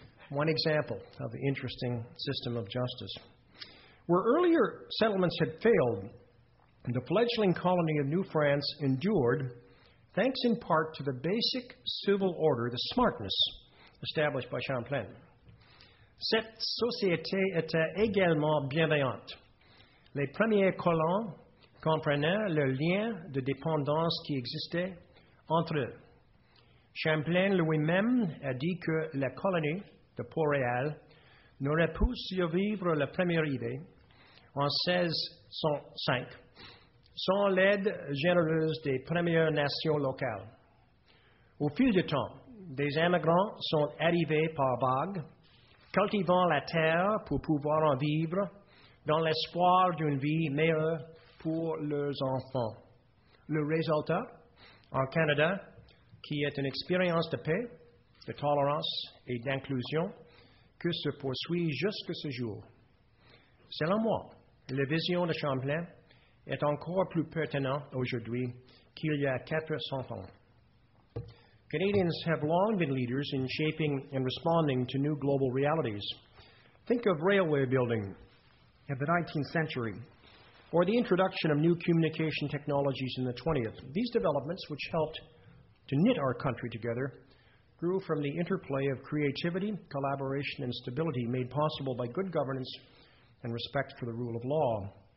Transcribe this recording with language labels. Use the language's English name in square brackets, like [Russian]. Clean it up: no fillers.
[English] One example of the interesting system of justice. Where earlier settlements had failed, the fledgling colony of New France endured, thanks in part to the basic civil order, the smartness established by Champlain. [French] Cette société était également bienveillante. Les premiers colons comprenaient le lien de dépendance qui existait entre eux. Champlain lui-même a dit que la colonie de Port-Royal n'aurait pu survivre la première idée en 1605 sans l'aide généreuse des Premières Nations locales. Au fil du temps, des immigrants sont arrivés par vagues, cultivant la terre pour pouvoir en vivre dans l'espoir d'une vie meilleure pour leurs enfants. Le résultat, en Canada, qui est une expérience de paix, de tolérance et d'inclusion, que se poursuit jusqu'à ce jour. Selon moi, la vision de Champlain est encore plus pertinente aujourd'hui qu'il y a 400 ans. [English] Canadians have long been leaders in shaping and responding to new global realities. Think of railway building in the 19th century, or the introduction of new communication technologies in the 20th. These developments, which helped to knit our country together, grew from the interplay of creativity, collaboration, and stability made possible by good governance and respect for the rule of law.